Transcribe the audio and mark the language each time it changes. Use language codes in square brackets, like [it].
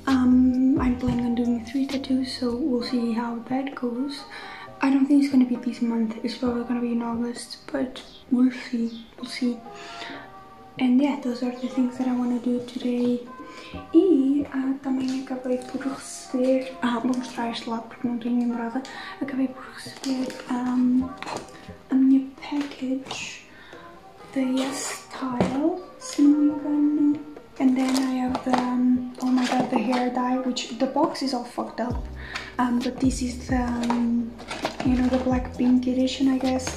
[en] I'm planning on doing 3 tattoos, so we'll see how that goes. I don't think it's gonna be this month. It's probably gonna be in August, but we'll see. We'll see. And yeah, those are the things that I want to do today. [pt] E também acabei por receber... Ah, vou mostrar este lado porque não tenho lembrada. Acabei por receber a minha package da YesStyle, se não me engano. [en] And then I have the... oh my god, the hair dye, which the box is all fucked up. But this is the, you know, the black pink edition, I guess.